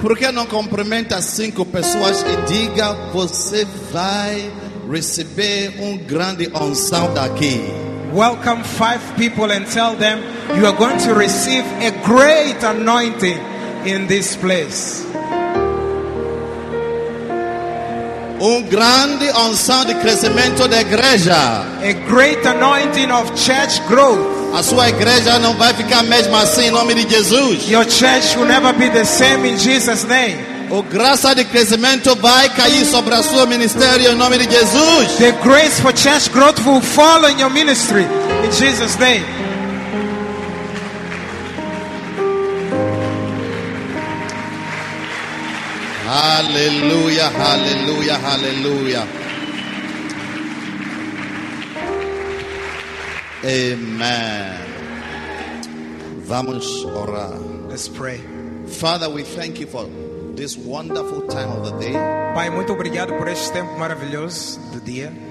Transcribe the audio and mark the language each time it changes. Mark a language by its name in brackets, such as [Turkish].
[Portuguese] Por que não cumprimenta 5 pessoas e diga: você vai receber grande unção daqui. [English] Welcome 5 people and tell them you are going to receive a great anointing in this place. [Portuguese] Grande unção de crescimento da igreja. [English] A great anointing of church growth. [Portuguese] A sua igreja não vai ficar mesmo assim em nome de Jesus. [English] Your church will never be the same in Jesus' name. [Portuguese] O graça de crescimento vai cair sobre a sua ministério em nome de Jesus. [English] The grace for church growth will fall on your ministry in Jesus' name. [Portuguese] Aleluia, aleluia, aleluia. Amen. Vamos orar. [English] Let's pray. Father, we thank you for this wonderful time of the day. [Portuguese] Pai, muito obrigado por este tempo maravilhoso do dia.